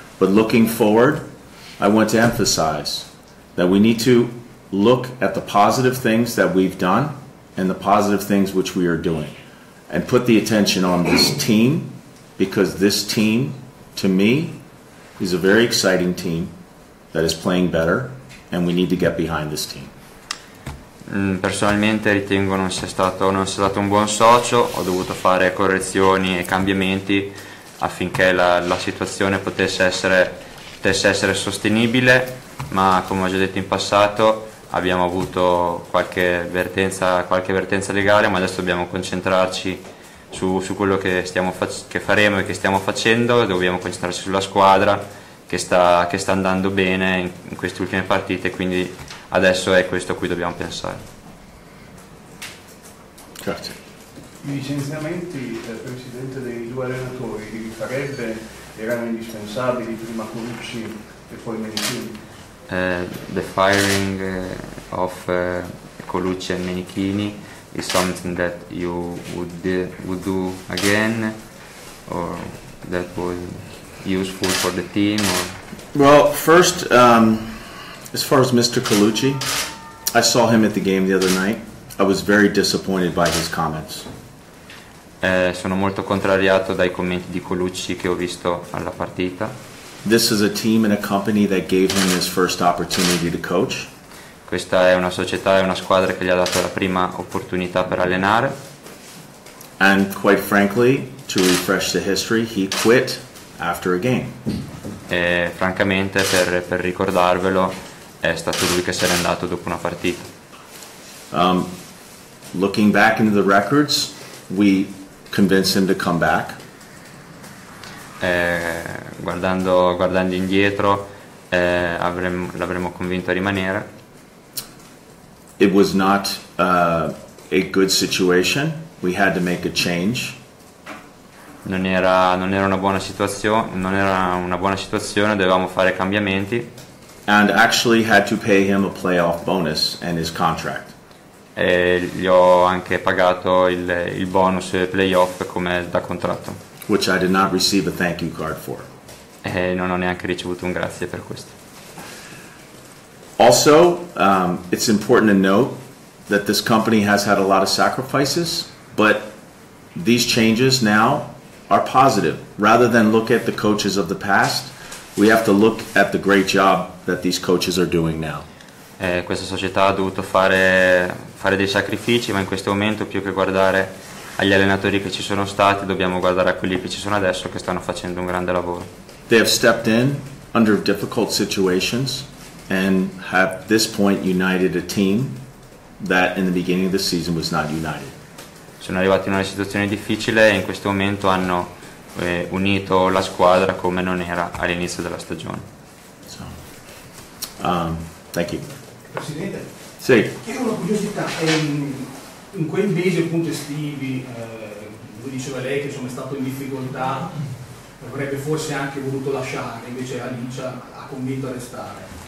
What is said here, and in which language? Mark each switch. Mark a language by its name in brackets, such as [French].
[English] But looking forward, I want to emphasize that we need to look at the positive things that we've done and the positive things which we are doing, and put the attention on this team, because this team, to me, is a very exciting team that is playing better, and we need to get behind this team. [Italian] Personalmente ritengo non sia stato un buon socio. Ho dovuto fare correzioni e cambiamenti affinché la situazione potesse essere sostenibile, ma come ho già detto in passato abbiamo avuto qualche vertenza legale, ma adesso dobbiamo concentrarci su quello che faremo e che stiamo facendo. Dobbiamo concentrarci sulla squadra che sta andando bene in queste ultime partite, quindi adesso è questo a cui dobbiamo pensare. Grazie. I licenziamenti del presidente dei due allenatori li farebbe? Erano indispensabili prima Colucci e poi Menichini? [English] The firing of Colucci and Menichini is something that you would do again, or that was useful for the team? Or? Well, first, as far as Mr. Colucci, I saw him at the game the other night. I was very disappointed by his comments. [Italian] Sono molto contrariato dai commenti di Colucci che ho visto alla partita. [English] This is a team and a company that gave him his first opportunity to coach. [Italian] Questa è una società e una squadra che gli ha dato la prima opportunità per allenare. [English] And quite frankly, to refresh the history, he quit after a game. [Italian] E francamente, per ricordarvelo, è stato lui che se n'è andato dopo una partita. [English] Looking back into the records, we convinced him to come back. [Italian] Guardando indietro, l'avremmo convinto a rimanere. [English] It was not a good situation. We had to make a change. [Italian] Non era una buona situazione. Dovevamo fare cambiamenti. [English] And actually had to pay him a playoff bonus and his contract. [Italian] E gli ho anche pagato il bonus playoff come da contratto. [English] Which I did not receive a thank you card for. [Italian] E non ho neanche ricevuto un grazie per questo. [English] Also, it's important to note that this company has had a lot of sacrifices, but these changes now are positive. Rather than look at the coaches of the past, we have to look at the great job that these coaches are doing now. [Italian] Questa società ha dovuto fare dei sacrifici, ma in questo momento, più che guardare agli allenatori che ci sono stati, dobbiamo guardare a quelli che ci sono adesso, che stanno facendo un grande lavoro. [English] They have stepped in under difficult situations, and at this point united a team that in the beginning of the season was not united. [Italian] Sono arrivati in una situazione difficile e in questo momento hanno unito la squadra come non era all'inizio della stagione. [English] So, thank you. [Italian] Presidente? Sì. Chiedo una curiosità. In quei mesi appunto estivi, lui diceva lei che insomma è stato in difficoltà, avrebbe forse anche voluto lasciare, invece Alicia ha convinto a restare.